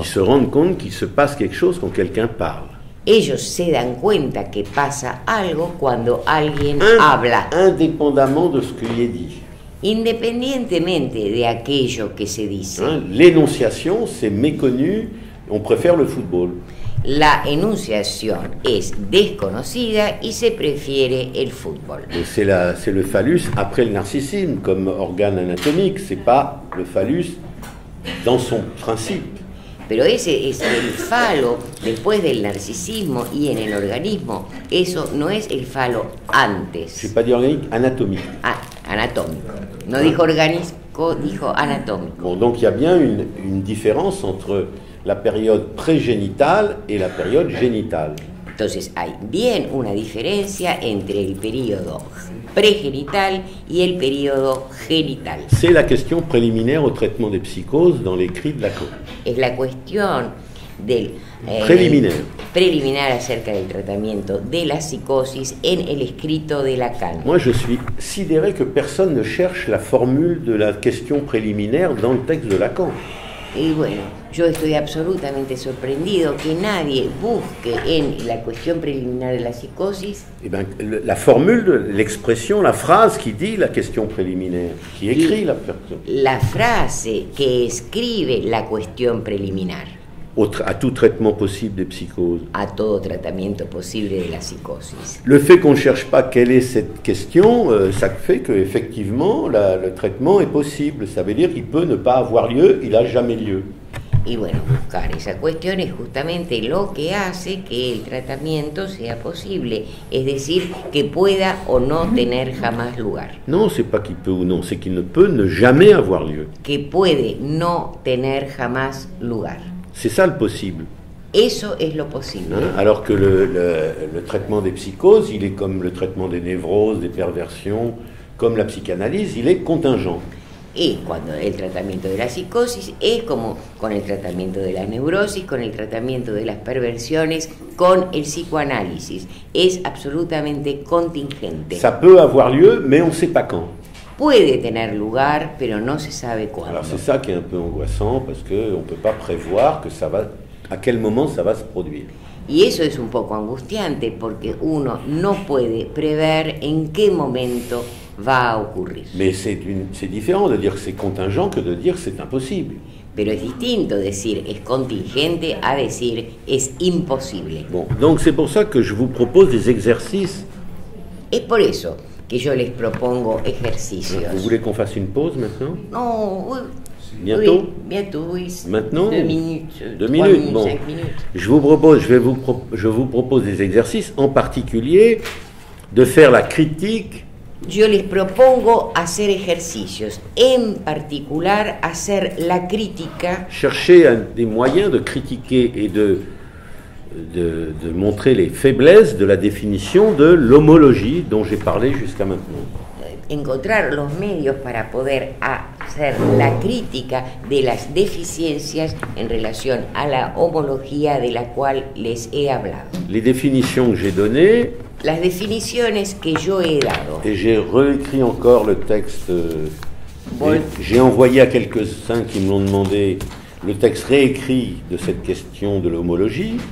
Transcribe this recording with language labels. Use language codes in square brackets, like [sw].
[fr] Ils se rendent compte qu'il se passe quelque chose quand quelqu'un parle. [es] Ellos se dan cuenta que pasa algo cuando alguien habla. [fr] Indépendamment de ce qui est dit. [es] Independientemente de aquello que se dice. Hein, [fr] l'énonciation, c'est méconnu, on préfère le football. [es] La enunciación es desconocida y se prefiere el fútbol. [fr] C'est le phallus après le narcissisme, comme organe anatomique, c'est pas le phallus dans son principe. [es] Pero ese es el falo después del narcisismo y en el organismo. Eso no es el falo antes. [fr] Je n'ai pas dit organique, anatomique. [es] Ah, anatómico. No dijo orgánico, dijo anatómico. [fr] Bon, donc il y a bien une différence entre la période pré-génitale et la période génitale. [es] Entonces hay bien una diferencia entre el periodo pré-génital y el periodo génital. [fr] C'est la question préliminaire au traitement des psychoses dans l'écrit de Lacan. [es] Es la cuestión del preliminar acerca del tratamiento de la psicosis en el escrito de Lacan. [fr] Moi je suis sidéré que personne ne cherche la formule de la question préliminaire dans le texte de Lacan. [es] Y bueno, yo estoy absolutamente sorprendido que nadie busque en la cuestión preliminar de la psicosis. [fr] Eh bien, la formule, l'expression, la phrase qui dit la question préliminaire, qui écrit la personne. [es] La frase que escribe la cuestión preliminar. [fr] À tout traitement possible des psychoses. [es] A todo tratamiento posible de la psicosis. [fr] Le fait qu'on ne cherche pas quelle est cette question, ça fait qu'effectivement le traitement est possible. Ça veut dire qu'il peut ne pas avoir lieu, il n'a jamais lieu. [es] Et bueno, buscar esa cuestión es justamente lo que hace que el tratamiento sea posible. Es decir, que pueda o no tener jamás lugar. [fr] Non, c'est pas qu'il peut ou non, c'est qu'il ne peut ne jamais avoir lieu. [es] Que puede no tener jamás lugar. [fr] C'est ça le possible. [es] Eso es lo posible. Hein? [fr] Alors que le traitement des psychoses, il est comme le traitement des névroses, des perversions, comme la psychanalyse, il est contingent. [es] Et cuando el tratamiento de la psicosis es como con el tratamiento de la neurosis, con el tratamiento de las perversiones, con el psicoanálisis, es absolutamente contingente. [fr] Ça peut avoir lieu, mais on sait pas quand. [es] Puede tener lugar, pero no se sabe cuándo. [fr] Alors c'est ça qui est un peu angoissant parce que on peut pas prévoir que ça va à quel moment ça va se produire. [es] Y eso es un poco angustiante porque uno no puede prever en qué momento va a ocurrir. [fr] Mais c'est différent de dire que c'est contingent que de dire que c'est impossible. [es] Pero es distinto decir es contingente a decir es imposible. [fr] Bon, donc c'est pour ça que je vous propose des exercices. [es] Es por eso que yo les propongo ejercicios. [fr] Vous voulez qu'on fasse une pause maintenant? Non. Oui. Bientôt. Oui, bientôt. Oui. Maintenant. Deux minutes. Deux minutes. Minutes. Bon. Minutes. Je vous propose des exercices en particulier de faire la critique. [es] Yo les propongo hacer ejercicios en particular hacer la crítica. [fr] Chercher des moyens de critiquer et de montrer les faiblesses de la définition de l'homologie dont j'ai parlé jusqu'à maintenant. [es] Encontrar los medios para poder hacer la crítica de las deficiencias en relación a la homología de la cual les he hablado. [fr] Les définitions que j'ai données. [es] Las definiciones que yo he dado. [fr] Et j'ai réécrit encore le texte. Bon. J'ai envoyé à quelques-uns qui me l'ont demandé. Le texte réécrit de cette question de l'homologie.